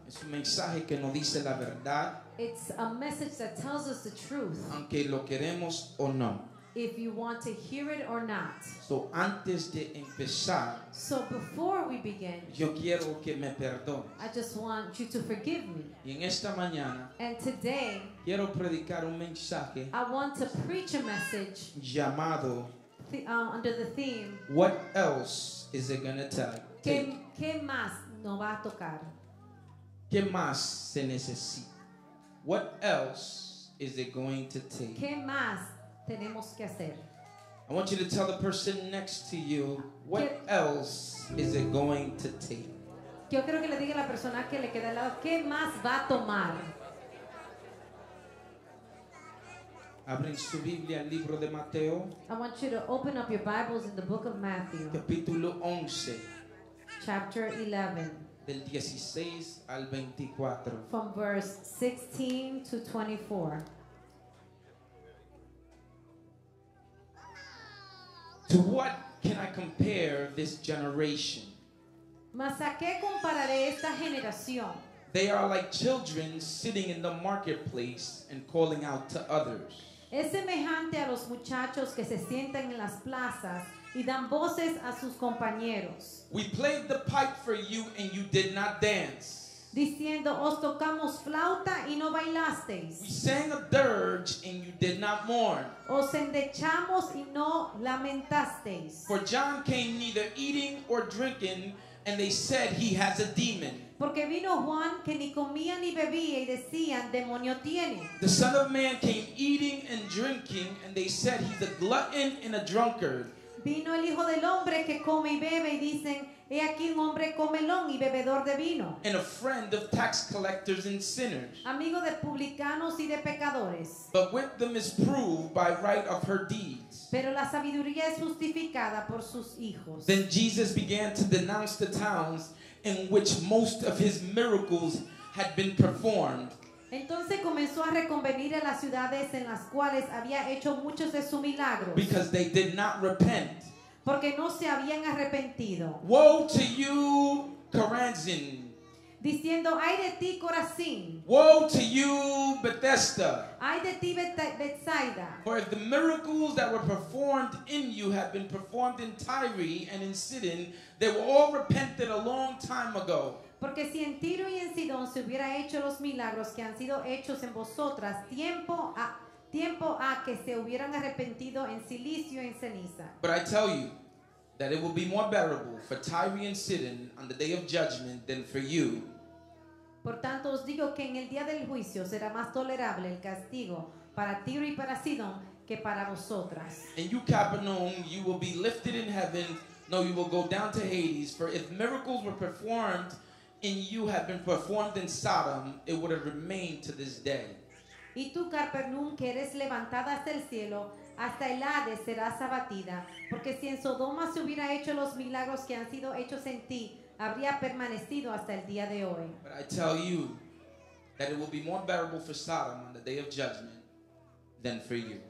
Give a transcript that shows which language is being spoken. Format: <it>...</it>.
<es>Es un mensaje que nos dice la verdad.</es> <en>It's a message that tells us the truth.</en> <es>Aunque lo queremos o no.</es> <en>If you want to hear it or not.</en> <es>So antes de empezar.</es> <en>So before we begin.</en> <es>Yo quiero que me perdone.</es> <en>I just want you to forgive me.</en> <es>Y en esta mañana.</es> <en>And today.</en> <es>Quiero predicar un mensaje.</es> <en>I want to preach a message.</en> <es>Llamado.</es> <en>Under the theme. What else is it going to take?</en> <es>¿Qué más no va a tocar? ¿Qué más se necesita?</es> <en>What else is it going to take?</en> <es>¿Qué más tenemos que hacer?</es> <en>I want you to tell the person next to you, what else is it going to take?</en> <es>Yo quiero que le diga a la persona que le queda al lado, ¿qué más va a tomar? Abre su Biblia, el libro de Mateo.</es> <en>I want you to open up your Bibles in the book of Matthew.</en> <es>Capítulo 11.</es> <en>Chapter 11.</en> <es>Del 16 al 24.</es> <en>From verse 16 to 24. To what can I compare this generation?</en> <es>¿Mas a qué compararé esta generación?</es> <en>They are like children sitting in the marketplace and calling out to others.</en> <es>Es semejante a los muchachos que se sientan en las plazas y dan voces a sus compañeros.</es> <en>We played the pipe for you and you did not dance.</en> <es>Diciendo, os tocamos flauta y no bailasteis.</es> <en>We sang a dirge and you did not mourn.</en> <es>Os endechamos y no lamentasteis.</es> <en>For John came neither eating or drinking and they said he has a demon.</en> <es>Porque vino Juan que ni comía ni bebía y decían, demonio tiene.</es> <en>The Son of Man came eating and drinking and they said he's a glutton and a drunkard.</en> <es>Vino el Hijo del Hombre que come y bebe y dicen, he aquí un hombre comelón y bebedor de vino.</es> <en>And a friend of tax collectors and sinners.</en> <es>Amigo de publicanos y de pecadores.</es> <en>But wisdom is proved by right of her deeds.</en> <es>Pero la sabiduría es justificada por sus hijos.</es> <en>Then Jesus began to denounce the towns in which most of his miracles had been performed.</en> <es>Entonces comenzó a reconvenir a las ciudades en las cuales había hecho muchos de sus milagros.</es> <en>Because they did not repent.</en> <es>Porque no se habían arrepentido.</es> <en>Woe to you, Chorazin.</en> <es>Diciendo, ay de ti, Corazín.</es> <en>Woe to you, Bethesda.</en> <es>Ay de ti, Bethsaida.</es> <en>For if the miracles that were performed in you had been performed in Tyre and in Sidon, they were all repented a long time ago.</en> <es>Porque si en Tiro y en Sidón se hubiera hecho los milagros que han sido hechos en vosotras, tiempo a que se hubieran arrepentido en Cilicio y en Ceniza.</es> <en>But I tell you that it will be more bearable for Tyre and Sidon on the day of judgment than for you.</en> <es>Por tanto os digo que en el día del juicio será más tolerable el castigo para Tiro y para Sidón que para vosotras.</es> <en>And you, Capernaum, you will be lifted in heaven, no, you will go down to Hades, for if miracles were performed and you have been performed in Sodom, it would have remained to this day.</en> <es>Y tú, Capernaum, que eres levantada hasta el cielo, hasta el Hades serás abatida, porque si en Sodoma se hubiera hecho los milagros que han sido hechos en ti, habría permanecido hasta el día de hoy.</es> <en>But I tell you that it will be more bearable for Sodom on the day of judgment than for you.</en>